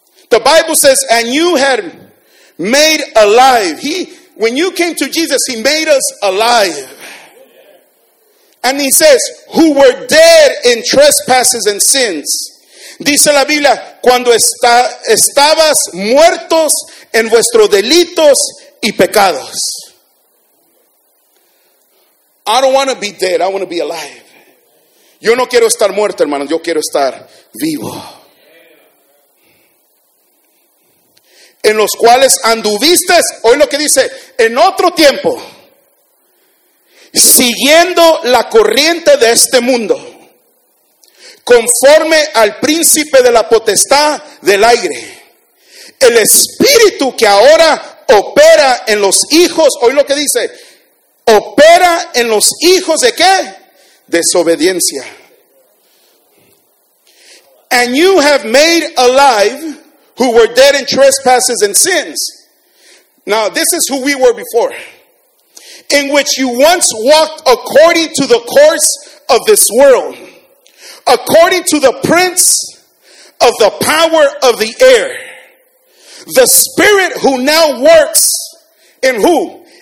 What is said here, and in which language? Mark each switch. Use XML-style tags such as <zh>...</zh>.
<en>The Bible says, and you had made alive. When you came to Jesus, he made us alive. And he says, who were dead in trespasses and sins.</en> <es>Dice la Biblia, cuando estabas muertos en vuestros delitos y pecados.</es> <en>I don't want to be dead, I want to be alive.</en> <es>Yo no quiero estar muerto, hermano, yo quiero estar vivo. En los cuales anduviste, oye lo que dice, en otro tiempo, siguiendo la corriente de este mundo, conforme al príncipe de la potestad del aire, el espíritu que ahora opera en los hijos, oye lo que dice, opera en los hijos de qué? Desobediencia.</es> <en>And you have made alive who were dead in trespasses and sins. Now, this is who we were before. In which you once walked according to the course of this world, according to the prince of the power of the air, the spirit who now works in who?</en>